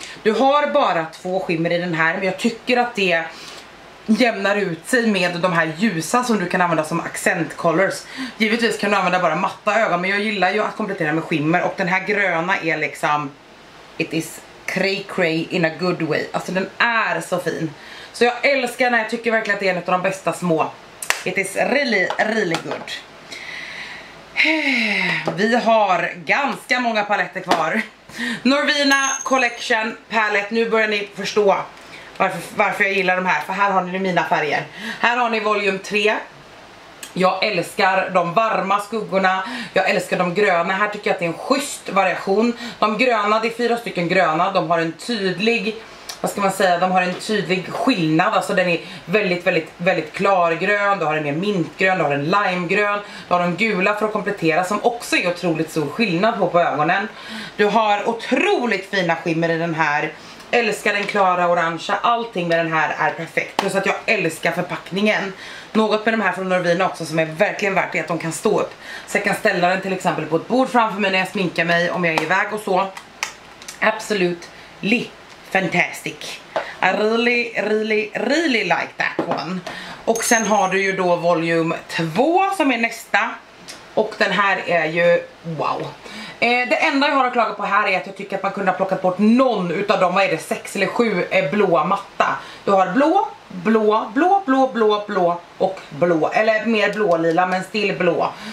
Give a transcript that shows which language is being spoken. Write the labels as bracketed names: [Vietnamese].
[Swedish] Du har bara två skimmer i den här, men jag tycker att det jämnar ut sig med de här ljusa som du kan använda som accent colors. Givetvis kan du använda bara matta ögon, men jag gillar ju att komplettera med skimmer, och den här gröna är liksom, [English] it is cray cray in a good way. [Swedish] Alltså den är så fin. Så jag älskar den här, jag tycker verkligen att det är en av de bästa små. [English] It is really really good. [Swedish] Vi har ganska många paletter kvar. Norvina Collection Palette. Nu börjar ni förstå varför jag gillar de här, för här har ni mina färger. Här har ni volume 3. Jag älskar de varma skuggorna. Jag älskar de gröna. Här tycker jag att det är en schysst variation. De gröna, det är 4 stycken gröna. De har en tydlig, vad ska man säga, de har en tydlig skillnad. Alltså den är väldigt, väldigt, väldigt klargrön. Du har en mer mintgrön, du har en limegrön. Du har de gula för att komplettera, som också är otroligt stor skillnad på ögonen. Du har otroligt fina skimmer i den här. Älskar den klara orangea, allting med den här är perfekt. Plus att jag älskar förpackningen. Något med de här från Norvina också som är verkligen värt, att de kan stå upp. Så jag kan ställa den till exempel på ett bord framför mig när jag sminkar mig, om jag är iväg och så. [English] Absolutely fantastic. I really, really, really like that one. [Swedish] Och sen har du ju då volume 2 som är nästa. Och den här är ju wow. Det enda jag har att klaga på här är att jag tycker att man kunde ha plockat bort någon utav dem, vad är det, 6 eller 7 blåa matta. Du har blå, blå, blå, blå, blå, blå och blå, eller mer blålila men still blå.